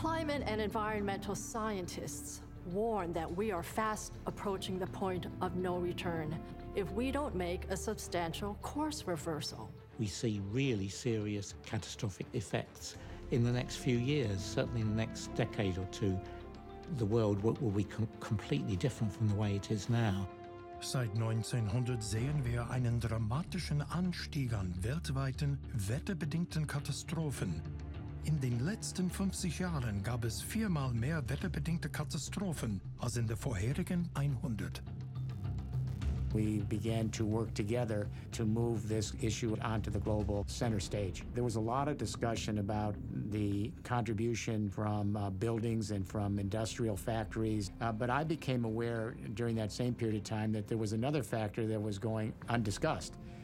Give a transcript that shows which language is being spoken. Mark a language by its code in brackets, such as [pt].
[en] And environmental scientists warn that we are fast approaching the point of no return if we don't make a substantial course reversal. We see really serious catastrophic effects in the next few years, certainly in the next decade or two. The world will be completely different from the way it is now. [de] Seit 1900 sehen wir einen dramatischen Anstieg an weltweiten wetterbedingten Katastrophen. In den letzten 50 Jahren gab es viermal mehr wetterbedingte Katastrophen als in der vorherigen 100. [en] We began to work together to move this issue onto the global center stage. There was a lot of discussion about the contribution from buildings and from industrial factories, but I became aware during that same period of time that there was another factor that was going undiscussed.